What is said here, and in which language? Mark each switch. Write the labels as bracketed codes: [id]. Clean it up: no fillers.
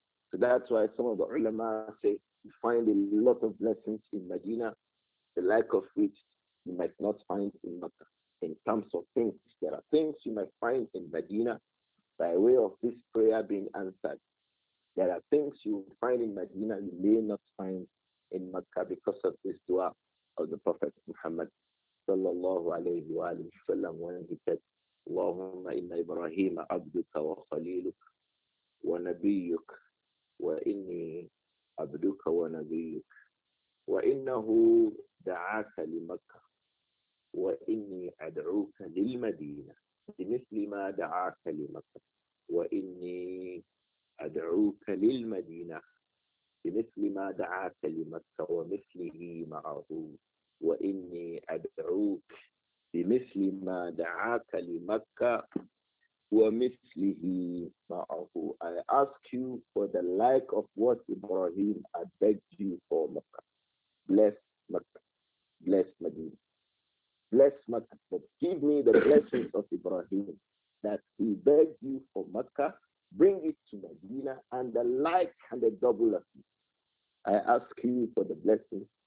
[en] So that's why some of the ulama say you find a lot of blessings in Medina, the like of which you might not find in Makkah. In terms of things, there are things you might find in Medina by way of this prayer being answered. There are things you find in Medina you may not find in Makkah because of this dua of the Prophet Muhammad sallallahu alayhi wa sallam when he said, [ar] اللهم إن إبراهيم عبدك وخليلك ونبيك وإني عبدك ونبيك وإنه دعاك لمكة وإني أدعوك للمدينة بمثل ما دعاك لمكة وإني أدعوك للمدينة بمثل ما دعاك لمكة ومثله معه وإني أدعوك بمثل ما دعاك لمكة ومثله معه. [en] I ask you for the like of what Ibrahim had begged you for Mecca. Bless Mecca. Bless Medina. Bless Mecca. But give me the blessings of Ibrahim that he begged you for Mecca. Bring it to Medina and the like and the double of it. I ask you you for the blessing.